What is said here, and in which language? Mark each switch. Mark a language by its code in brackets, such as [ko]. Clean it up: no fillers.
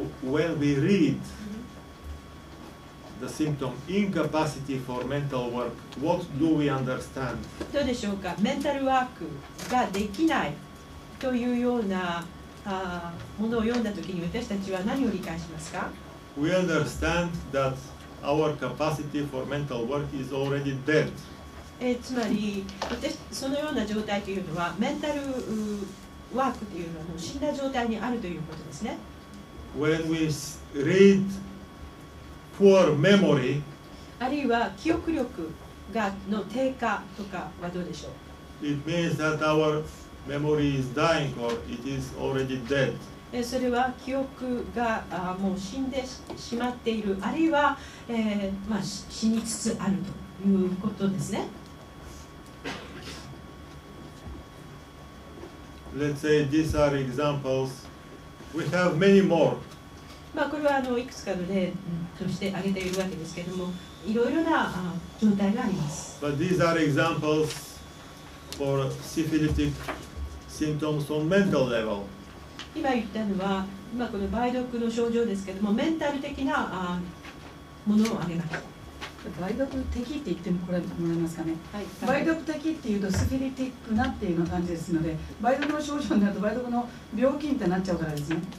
[en] When we read the symptom incapacity for mental work, what do we understand? [ja] どうでしょうか。メンタルワークができないというようなものを読んだときに私たちは何を理解しますか。 [en] We understand that our capacity for mental work is already dead. [ja] つまり、そのような状態というのはメンタルワークというのは死んだ状態にあるということですね。 [en] When we read poor memory, [ja] あるいは記憶力がの低下とかはどうでしょう。 [en] It means that our memory is dying or it is already dead. [ja] それは記憶がもう死んでしまっている、あるいは、死につつあるということですね。 [en] Let's say these are examples. We have many more. [ja] まあ、これはいくつかの例として挙げているわけですけれども、いろいろな状態があります。 [en] But these are examples for syphilitic symptoms on mental level. [ja] 今言ったのは、今この梅毒の症状ですけれども、メンタル的なものを挙げました。梅毒的って言ってもこれもらえますかね。はい、梅毒的っていうと、syphilitic なっていうような感じですので、梅毒の症状になると梅毒の病気ってなっちゃうからですね。